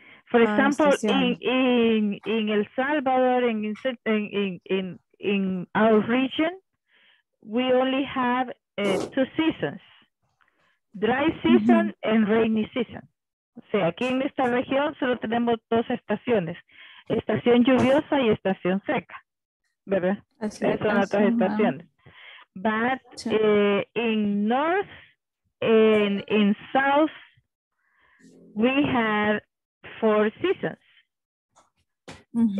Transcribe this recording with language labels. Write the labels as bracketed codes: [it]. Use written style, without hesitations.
[en] For example, in El Salvador, in our region, we only have two seasons, dry season, mm-hmm, and rainy season. [es] O sea, aquí en esta región solo tenemos dos estaciones, estación lluviosa y estación seca, ¿verdad? Esas son otras estaciones. [en] But in north and in south, we have four seasons. Mm-hmm.